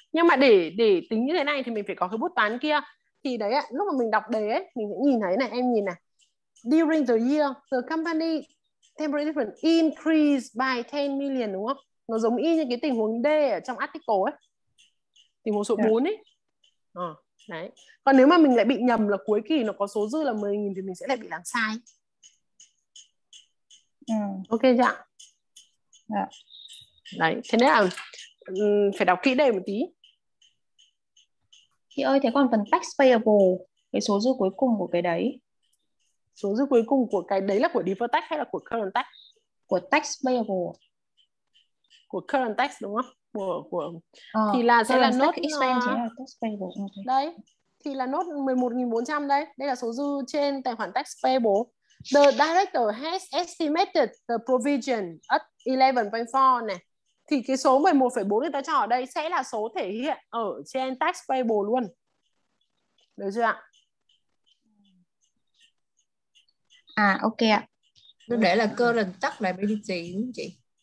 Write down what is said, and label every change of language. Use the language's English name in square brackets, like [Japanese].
[Vietnamese] Nhưng mà để tính như thế này thì mình phải có cái bút toán kia. Thì đấy ạ, lúc mà mình đọc đề ấy, mình sẽ nhìn thấy này, em nhìn này. [English] During the year, the company temporary difference increased by 10 million [Vietnamese] đúng không? Nó giống y như cái tình huống D ở trong article ấy. Tình huống số 4 ấy. Ờ, đấy. Còn nếu mà mình lại bị nhầm là cuối kỳ nó có số dư là 10.000 thì mình sẽ lại bị làm sai. Ok dạ. Dạ. Đấy, thế nên là phải đọc kỹ đây một tí. Chị ơi, thế còn phần tax payable, cái số dư cuối cùng của cái đấy. Số dư cuối cùng của cái đấy là của deferred tax hay là của current tax? Của tax payable. Của current tax đúng không? Của thì là sẽ là nốt expense là tax payable. Okay. Đấy. Thì là nốt 11.400 đây. Đây là số dư trên tài khoản tax payable. [English] The director has estimated the provision at 11.4 [Vietnamese] này. Thì cái số 11.4 người ta cho ở đây sẽ là số thể hiện ở trên tax payable luôn. Được chưa ạ? À ok ạ. Nó để là current tax liability đúng không chị?